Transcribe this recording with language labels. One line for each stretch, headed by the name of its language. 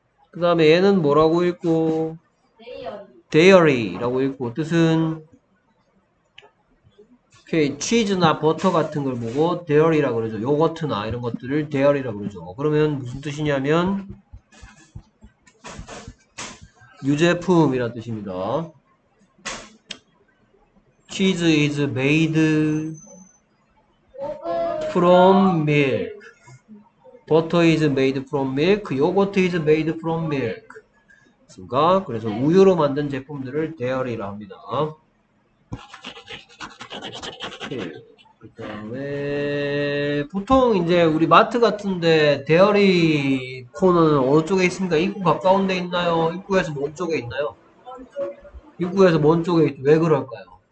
Korean: 그 다음에 얘는 뭐라고 읽고? 데이어리라고 읽고 뜻은 오케이, 치즈나 버터 같은 걸 보고 데이어리라고 그러죠. 요거트나 이런 것들을 데이어리라고 그러죠. 그러면 무슨 뜻이냐면 유제품이란 뜻입니다.
English: 치즈 is made from milk. Butter is made from milk. Yogurt is made from milk.
Korean: 맞습니까? 그래서 우유로 만든 제품들을 dairy라 합니다. 그다음에 보통 이제 우리 마트 같은데 dairy 코너는 어느 쪽에 있습니까? 입구 가까운 데 있나요? 입구에서 먼 쪽에 있나요? 입구에서 먼 쪽에 있죠. 왜 그럴까요?